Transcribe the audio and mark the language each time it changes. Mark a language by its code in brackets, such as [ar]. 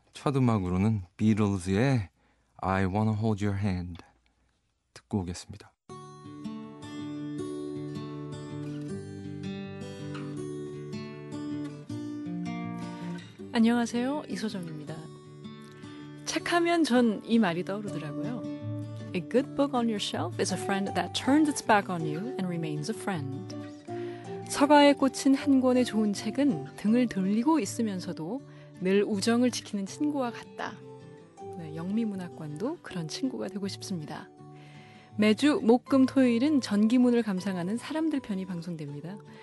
[ko] 첫 음악으로는 비틀즈의 I Wanna Hold Your Hand 듣고 오겠습니다. 안녕하세요. 이소정입니다. 책하면 전 이 말이 떠오르더라고요. [en] A good book on your shelf is a friend that turns its back on you and remains a friend. [ko] 서가에 꽂힌 한 권의 좋은 책은 등을 돌리고 있으면서도 늘 우정을 지키는 친구와 같다. 네, 영미문학관도 그런 친구가 되고 싶습니다. 매주 목, 금, 토요일은 전기문을 감상하는 사람들 편이 방송됩니다.